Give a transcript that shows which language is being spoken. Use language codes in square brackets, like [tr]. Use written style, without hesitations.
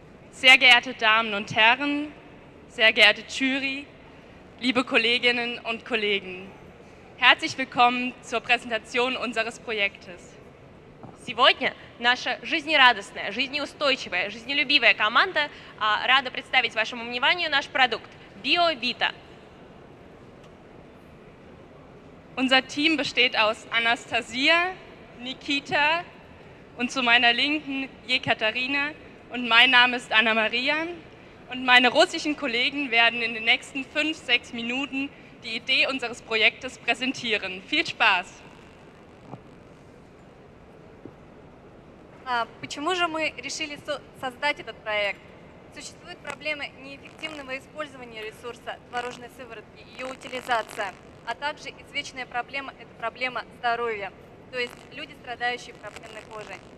[de] Sehr geehrte Damen und Herren, sehr geehrte Jury, liebe Kolleginnen und Kollegen, herzlich willkommen zur Präsentation unseres Projektes. [ru] Сегодня наша жизнерадостная, жизнеустойчивая, жизнелюбивая команда рада представить вашему вниманию наш продукт BioVita. [de] Unser Team besteht aus Anastasia, Nikita und zu meiner Linken Jekaterina. Und mein Name ist Anna-Maria und meine russischen Kollegen werden in den nächsten 5-6 Minuten die Idee unseres Projektes präsentieren. Viel Spaß! [ru] Почему же мы решили создать этот проект? Существует проблема неэффективного использования ресурса творожной сыворотки и ее утилизация, а также извечная проблема – это проблема здоровья, то есть люди, страдающие проблемной кожей.